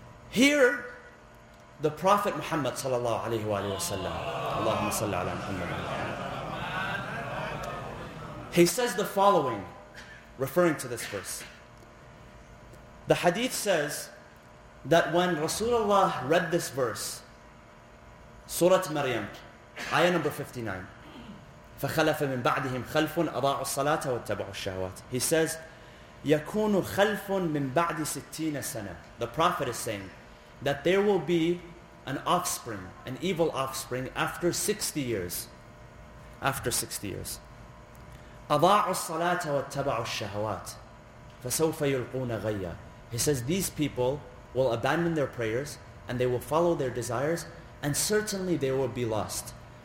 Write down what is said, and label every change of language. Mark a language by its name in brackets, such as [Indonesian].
[English] Here, the Prophet Muhammad sallallahu alayhi wa sallam, Allahumma salli ala Muhammad, he says the following, referring to this verse. The hadith says that when Rasulullah read this verse, Surah Maryam, ayah number 59, [Arabic] فَخَلَفَ مِن بَعْدِهِمْ خَلْفٌ أَضَاعُوا الصَّلَاةَ وَاتَّبَعُوا الشَّهَوَاتِ. [English] He says, [Arabic] يَكُونُ خَلْفٌ مِن بَعْدِ سِتِّينَ سَنَةً. [English] The Prophet is saying that there will be an offspring, an evil offspring, after 60 years. After 60 years. [Arabic] أَضَاعُوا الصَّلَاةَ وَاتَّبَعُوا الشَّهَوَاتِ فَسَوْفَ يُلْقُونَ غَيَّا. [English] He says, these people will abandon their prayers and they will follow their desires, and certainly they will be lost.